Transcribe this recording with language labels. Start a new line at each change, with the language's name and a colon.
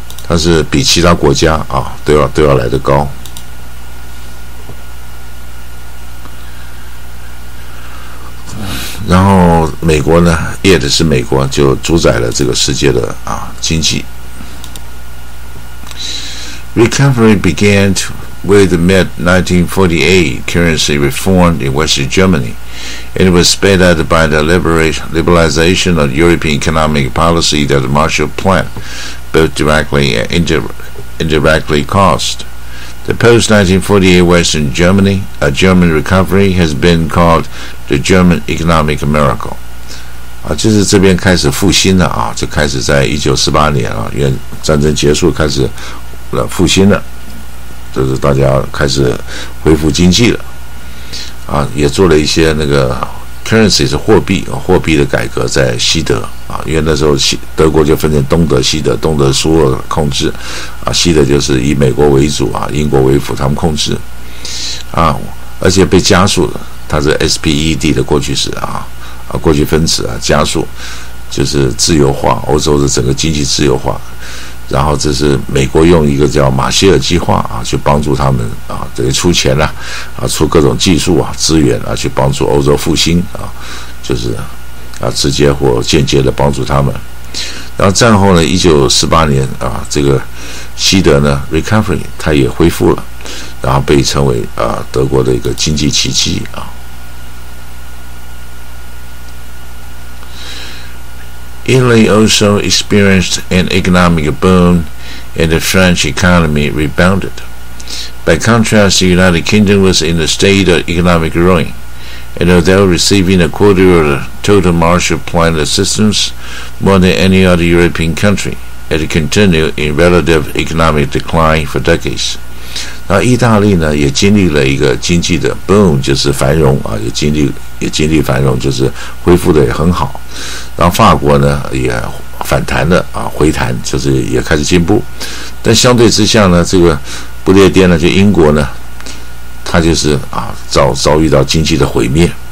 Chinese: 但是比其他国家啊都要来得高。然后美国呢，也的是美国就主宰了这个世界的啊经济。
English: Recovery began with the mid-1948 currency reform in Western Germany, and it was sped up by the liberalization of European economic policy that the Marshall Plan. Both directly and indirectly caused. The post-1948 Western Germany, a German recovery, has been called the German economic miracle.
Chinese: 啊，就是这边开始复兴了啊，就开始在1948年啊，因为战争结束开始复兴了。就是大家开始恢复经济了啊，也做了一些那个 currency 是货币、啊、货币的改革在西德啊，因为那时候德国就分成东德西德，东德苏俄控制啊，西德就是以美国为主啊，英国为辅，他们控制啊，而且被加速了，它是 SPED 的过去式啊，啊过去分词啊，加速就是自由化，欧洲的整个经济自由化，然后这是美国用一个叫马歇尔计划啊，去帮助他们啊，等于出钱了 啊出各种技术啊资源啊，去帮助欧洲复兴啊，就是啊直接或间接的帮助他们。然后战后呢，1948年啊，这个西德呢 recovery 它也恢复了，然后被称为啊德国的一个经济奇迹啊。
English: Italy also experienced an economic boom and the French economy rebounded. By contrast, the United Kingdom was in a state of economic ruin, and although receiving a quarter of the total Marshall Plan assistance, more than any other European country, it continued in relative economic decline for decades.
Chinese: 那意大利呢，也经历了一个经济的 boom， 就是繁荣啊，也经历繁荣，就是恢复的也很好。然后法国呢也反弹了啊，回弹就是也开始进步，但相对之下呢，这个不列颠呢，就英国呢，它就是啊遭遇到经济的毁灭。